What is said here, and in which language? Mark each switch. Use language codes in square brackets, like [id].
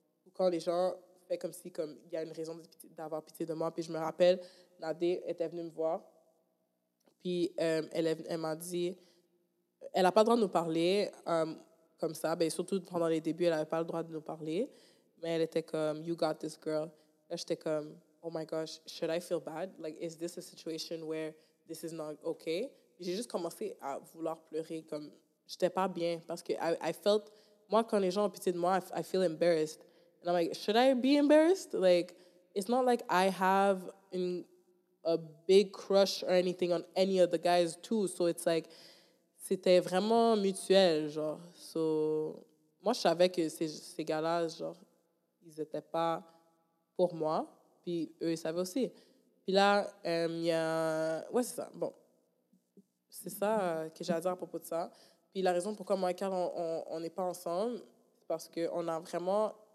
[fr] Ou quand les gens font comme si comme il y a une raison d'avoir pitié de moi. Puis je me rappelle, Nadé était venue me voir. Puis elle m'a dit, elle n'a pas le droit de nous parler comme ça. Bien, surtout pendant les débuts, elle n'avait pas le droit de nous parler. Mais elle était comme, [en] you got this girl. [fr] Là, j'étais comme... [en] Oh my gosh, should I feel bad? Like, is this a situation where this is not okay? [fr] J'ai juste commencé à vouloir pleurer, comme, j'étais pas bien, parce que moi, quand les gens ont pitié de moi, [en] I feel embarrassed. And I'm like, should I be embarrassed? Like, it's not like I have a big crush or anything on any of the guys too, so it's like, [fr] c'était vraiment mutuel, genre. So, moi, je savais que ces gars-là, genre, ils étaient pas pour moi. Puis eux, ils savaient aussi. Puis là, ouais, c'est ça. Bon, c'est ça que j'ai à dire à propos de ça. Puis la raison pourquoi moi et Carl, on n'est pas ensemble, c'est parce qu'on a vraiment